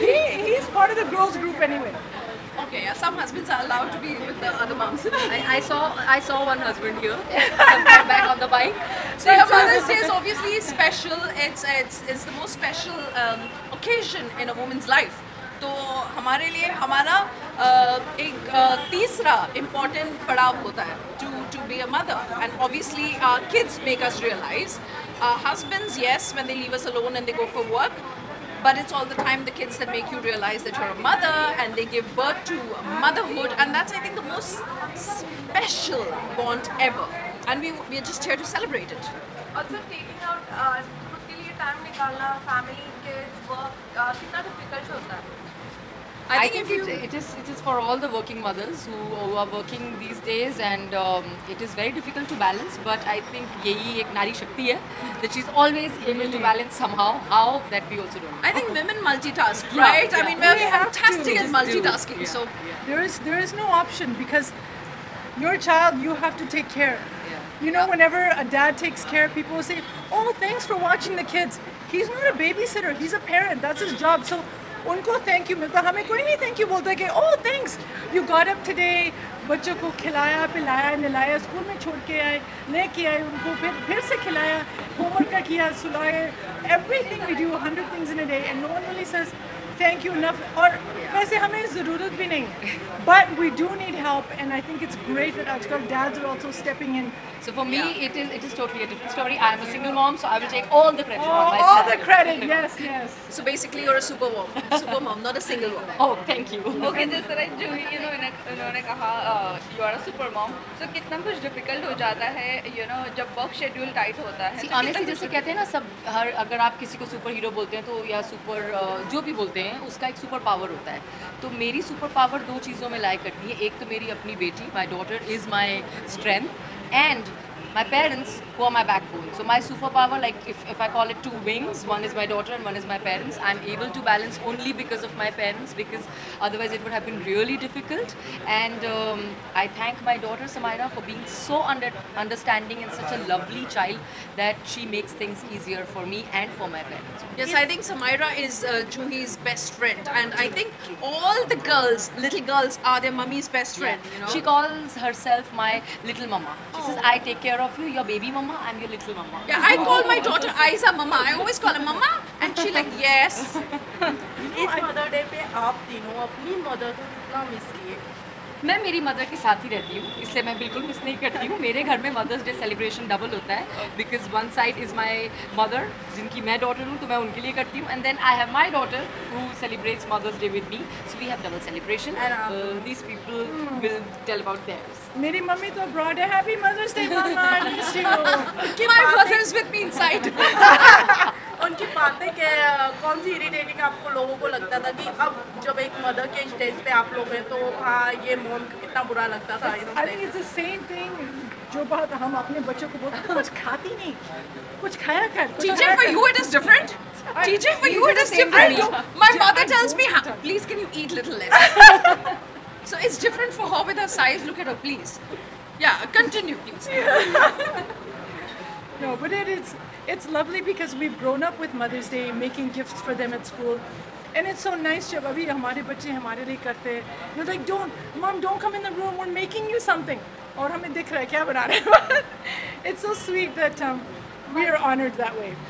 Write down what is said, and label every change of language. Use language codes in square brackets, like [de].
[en] He's part of the girls group anyway. Okay, yeah, some husbands are allowed to be with the other moms. I saw one husband here. I'm back on the bike. So yeah, Mother's Day is obviously special. It's the most special occasion in a woman's life. [hi] तो हमारे लिए हमारा एक तीसरा important पड़ाव होता है [en] to be a mother and obviously kids make us realise husbands yes when they leave us alone and they go for work but it's all the time the kids that make you realise that you are a mother and they give birth to motherhood and that's I think the most special bond ever and we are just here to celebrate it also taking out [hi] खुद के लिए time निकालना family kids work कितना difficult होता है [en] I think it is for all the working mothers who are working these days and it is very difficult to balance but I think [hi] yehi ek nari shakti hai [en] that she's always able to balance somehow how that we also don't know. I think women multitask right yeah. I mean we're fantastic at multitasking yeah. so yeah. there is no option because your child you have to take care you know whenever a dad takes care people say oh thanks for watching the kids he's not a babysitter he's a parent that's his job so [hi] उनको thank you मिलता हमें कोई नहीं thank you बोलता कि [en] oh thanks you got up today [hi] बच्चों को खिलाया पिलाया नहलाया स्कूल में छोड़ के आए लेके आए उनको फिर से खिलाया होमवर्क का किया सुलाए [en] everything we do 100 things in a day and no one really says thank you enough [hi] और वैसे हमें ज़रूरत भी नहीं [en] But we do need help and I think it's great that आजकल dads are also stepping in So for me, yeah. it is totally a different story. I am a single mom, so I will take all the credit. Oh, on all the credit, yes, yes. So basically, you're a super mom, not a single mom. Oh, thank you. Okay, [hi] जिस तरह जूही इन्होंने कहा, [en] you are a super mom. [hi] So कितना कुछ difficult हो जाता है, you know, जब [en] work schedule tight [hi] होता है. Honestly, जैसे कहते हैं ना सब हर अगर आप किसी को super hero बोलते हैं तो या super जो भी बोलते हैं उसका एक super power होता है. तो मेरी super power दो चीजों में लाइक करती है. एक तो मेरी अपनी बेटी, [en] my daughter is my strength. And my parents who are my backbone so my superpower like if I call it two wings one is my daughter and one is my parents I'm able to balance only because of my parents because otherwise it would have been really difficult and I thank my daughter Samira for being so understanding and such a lovely child that she makes things easier for me and for my parents yes I think Samira is Juhi's best friend and I think all the girls little girls are their mummy's best friend yeah. you know she calls herself my little mama she says I take care of you your baby mama I'm your little mama yeah I call my daughter Aisa mama I always call her mama and she like yes [hi] is mother day pe aap tino apni mother ko kitna miss kiye मैं मेरी mother के साथ ही रहती हूँ इसलिए मैं बिल्कुल miss नहीं करती हूँ मेरे घर में मदर्स डे सेलिब्रेशन डबल होता है [en] because one side is my mother [hi] जिनकी मैं डॉटर हूँ तो मैं उनके लिए करती हूँ [en] and then I have my daughter who celebrates mother's day with me so we have double celebration and this people will tell about theirs [hi] मेरी मम्मी तो अब्रॉड है [en] happy mother's day mama I miss you कि my mother's with me inside [hi] उनकी बातें क्या कौन सी irritating आपको लोगों को लगता था कि अब जब एक मदर के स्टेज पे आप लोग हैं तो हाँ ये मॉम को कितना बुरा लगता था [en] I think it's the same thing [hi] जो बात हम अपने बच्चों को बोलते हैं कुछ खाती नहीं कुछ खाया कर [en] TJ for you it is different TJ for you it is different my mother tells me please can you eat little less so it's different for her with her size look at her please yeah continue please no but it's lovely because we've grown up with mother's day making gifts for them at school and it's so nice [hi] jab abhi hamare bacche hamare liye karte hain [en] they're like don't mom don't come in the room we're making you something [hi] aur hame dikh raha hai kya bana rahe ho [en] it's so sweet that we are honored that way